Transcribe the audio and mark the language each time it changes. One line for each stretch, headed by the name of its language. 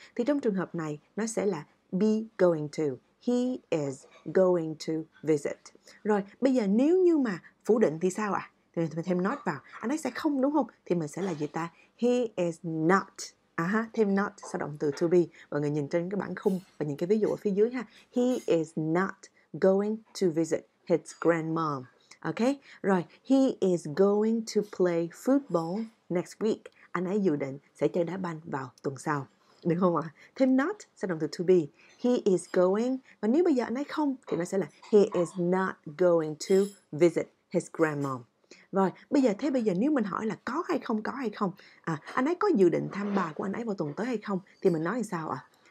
Vietnamese: Thì trong trường hợp này, nó sẽ là be going to.
English: He is going to visit.
Vietnamese: Rồi, bây giờ nếu như mà phủ định thì sao ạ? Thì mình thêm not vào. Anh ấy sẽ không, đúng không? Thì mình sẽ là gì ta?
English: He is not.
Vietnamese: Thêm not sau động từ to be. Mọi người nhìn trên cái bảng khung và những cái ví dụ ở phía dưới ha.
English: He is not going to visit his grandmom. Ok? Rồi, he is going to play football next week.
Vietnamese: Anh ấy dự định sẽ chơi đá banh vào tuần sau. Được không ạ? Thêm not sau động từ to be.
English: He is going.
Vietnamese: Và nếu bây giờ anh ấy không, thì nó sẽ là
English: he is not going to visit his grandmom.
Vietnamese: Rồi, bây giờ thế bây giờ nếu mình hỏi là có hay không, có hay không, anh ấy có dự định thăm bà của anh ấy vào tuần tới hay không, thì mình nói như sao ạ?